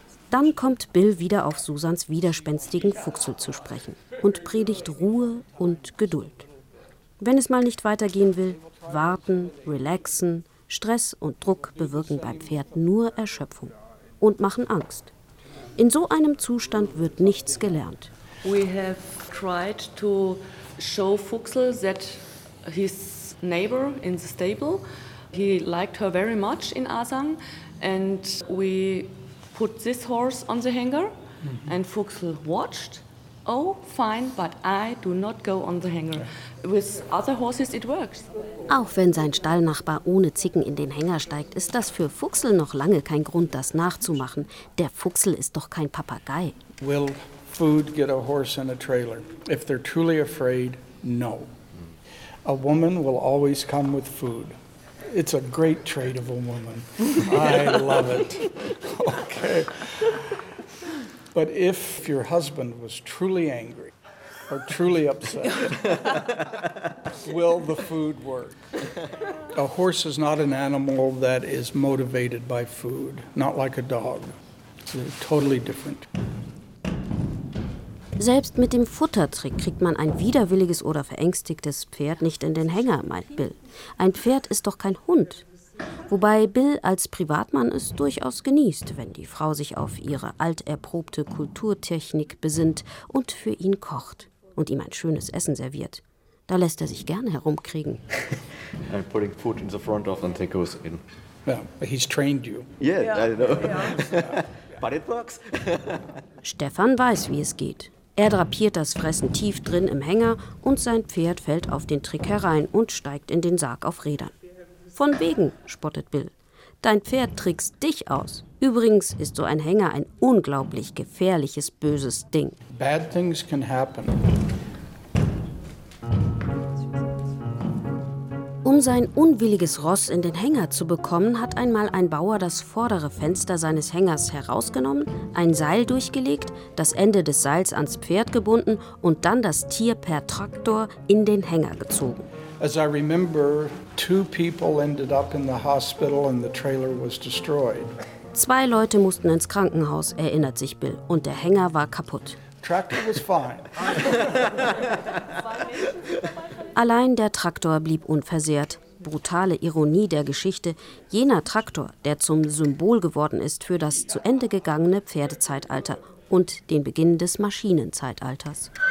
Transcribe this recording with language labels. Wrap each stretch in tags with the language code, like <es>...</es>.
<de>Dann kommt Bill wieder auf Susans widerspenstigen Fuchsel zu sprechen und predigt Ruhe und Geduld. Wenn es mal nicht weitergehen will, warten, relaxen. Stress und Druck bewirken beim Pferd nur Erschöpfung und machen Angst. In so einem Zustand wird nichts gelernt.</de> <en>We have tried to show Fuchsel that his neighbor in the stable, he liked her very much in Asang, and we put this horse on the hanger, and Fuchsel watched. Oh, fine, but I do not go on the hanger. With other horses it works.</en> <de>Auch wenn sein Stallnachbar ohne Zicken in den Hänger steigt, ist das für Fuchsel noch lange kein Grund, das nachzumachen. Der Fuchsel ist doch kein Papagei.</de> <en>Will food get a horse in a trailer? If they're truly afraid, no. A woman will always come with food. It's a great trait of a woman. I love it. Okay. But if your husband was truly angry or truly upset, will the food work? A horse is not an animal that is motivated by food, not like a dog. They're totally different.</en> <de>Selbst mit dem Futtertrick kriegt man ein widerwilliges oder verängstigtes Pferd nicht in den Hänger, meint Bill. Ein Pferd ist doch kein Hund. Wobei Bill als Privatmann es durchaus genießt, wenn die Frau sich auf ihre alterprobte Kulturtechnik besinnt und für ihn kocht und ihm ein schönes Essen serviert. Da lässt er sich gerne herumkriegen.</de> <en>I'm putting food in the front of and take us in. Yeah, he's trained you. Yeah, I know. But it works.</en> <de>Stefan weiß, wie es geht. Er drapiert das Fressen tief drin im Hänger und sein Pferd fällt auf den Trick herein und steigt in den Sarg auf Rädern. Von wegen, spottet Bill. Dein Pferd trickst dich aus. Übrigens ist so ein Hänger ein unglaublich gefährliches, böses Ding.</de> <en>Bad things can happen.</en> <de>Um sein unwilliges Ross in den Hänger zu bekommen, hat einmal ein Bauer das vordere Fenster seines Hängers herausgenommen, ein Seil durchgelegt, das Ende des Seils ans Pferd gebunden und dann das Tier per Traktor in den Hänger gezogen.</de> <en>As I remember, two people ended up in the hospital and the trailer was destroyed.</en> <de>Zwei Leute mussten ins Krankenhaus, erinnert sich Bill, und der Hänger war kaputt.</de> <en>Tractor was fine.</en> <de>Allein der Traktor blieb unversehrt. Brutale Ironie der Geschichte. Jener Traktor, der zum Symbol geworden ist für das zu Ende gegangene Pferdezeitalter und den Beginn des Maschinenzeitalters.</de>